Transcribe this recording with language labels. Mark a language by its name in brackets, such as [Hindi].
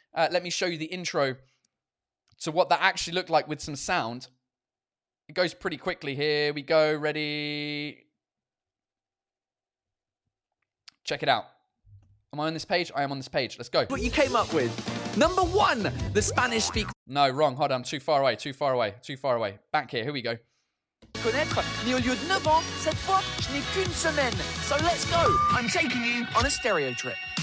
[English] Let me show you the intro to what that actually looked like with some sound. It goes pretty quickly. Here we go. Ready? Check it out. Am I on this page? I am on this page. Let's go. What you came up with. Number one, the Spanish speak. No, wrong. Hold on. I'm too far away. Too far away. Too far away. Back here. Here we go. [French] Connaître, mais au lieu de 9 ans, cette fois, je n'ai qu'une semaine. [English] So let's go. I'm taking you on a stereo trip.